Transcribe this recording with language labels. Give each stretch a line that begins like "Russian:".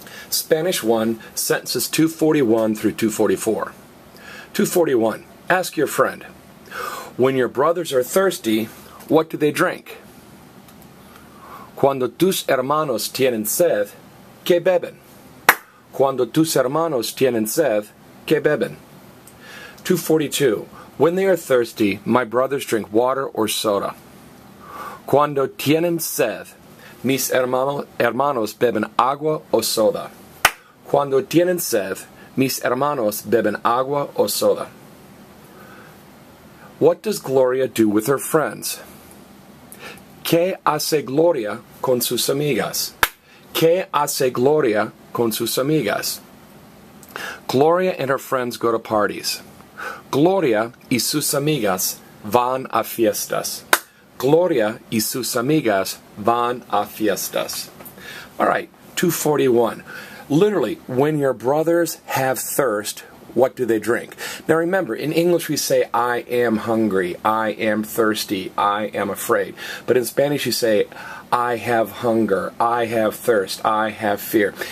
English: Spanish 1, sentences 241 through 244. 241. Ask your friend, when your brothers are thirsty, what do they drink?
Spanish: Cuando tus hermanos tienen sed, ¿qué beben? Cuando tus hermanos tienen sed, ¿qué beben?
English: 242. When they are thirsty, my brothers drink water or soda.
Spanish: Cuando tienen sed, mis hermanos beben agua o soda. Cuando tienen sed, mis hermanos beben agua o soda.
English: What does Gloria do with her friends?
Spanish: ¿Qué hace Gloria con sus amigas? ¿Qué hace Gloria con sus amigas?
English: Gloria and her friends go to parties.
Spanish: Gloria y sus amigas van a fiestas. Gloria y sus amigas van a fiestas.
English: All right, 241. Literally, when your brothers have thirst, what do they drink? Now remember, in English we say, I am hungry, I am thirsty, I am afraid. But in Spanish you say, I have hunger, I have thirst, I have fear.